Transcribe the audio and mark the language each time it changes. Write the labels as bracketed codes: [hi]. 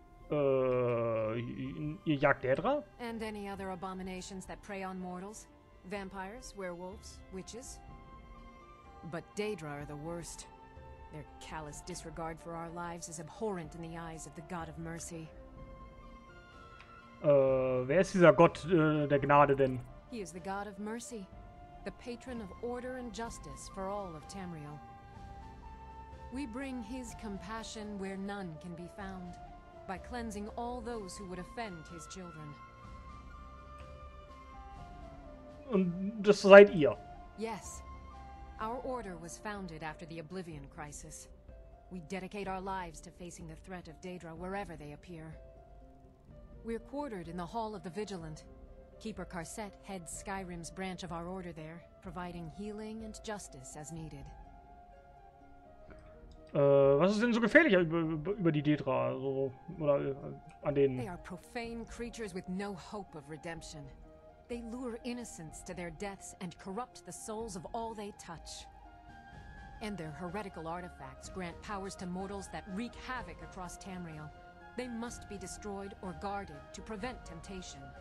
[de] Ihr jagt Daedra? [en] And any other abominations that prey on mortals? Vampires, werewolves, witches? But Daedra are the worst. Their callous disregard for our lives is abhorrent in the eyes of the God of Mercy. [de] Wer ist dieser Gott der Gnade denn? [en] He is the God of Mercy, the patron of order and justice for all of Tamriel. We bring his compassion where none can be found, by cleansing all those who would offend his children. [de] Und das seid ihr? [en] Yes. Our order was founded after the Oblivion Crisis. We dedicate our lives to facing the threat of Daedra wherever they appear. We're quartered in the Hall of the Vigilant. Keeper Carset heads Skyrim's branch of our order there, providing healing and justice as needed. [de] Was ist denn so gefährlich über die Daedra, so, oder an denen? [en] They are profane creatures with no hope of redemption. They lure innocents to their deaths and corrupt the souls of all they touch. And their heretical artifacts grant powers to mortals that wreak havoc across Tamriel. They must be destroyed or guarded to prevent temptation.